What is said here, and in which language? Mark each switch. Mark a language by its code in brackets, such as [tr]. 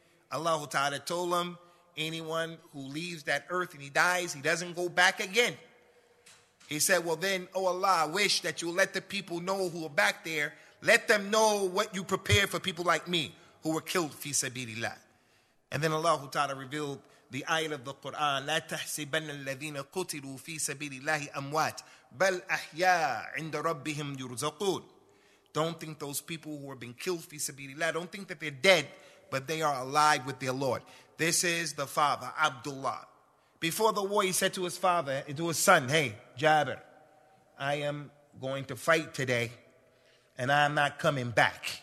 [en] Allah Ta'ala told him, anyone who leaves that earth and he dies, he doesn't go back again. He said, well then, O Allah, I wish that you let the people know who are back there, let them know what you prepared for people like me who were killed, fi sabilillah. And then Allah Ta'ala revealed the ayat of the Quran, [ar] لَا تَحْسِبَنَّ الَّذِينَ قُتِلُوا فِي سَبِيلِ اللَّهِ أَمْوَاتٍ بَلْ أَحْيَا عِنْدَ رَبِّهِمْ يُرْزَقُونَ. [en] Don't think those people who have been killed, fi sabilillah, don't think that they're dead, but they are alive with their Lord. This is the father, Abdullah. Before the war, he said to his father, to his son, hey, Jabir, I am going to fight today, and I'm not coming back.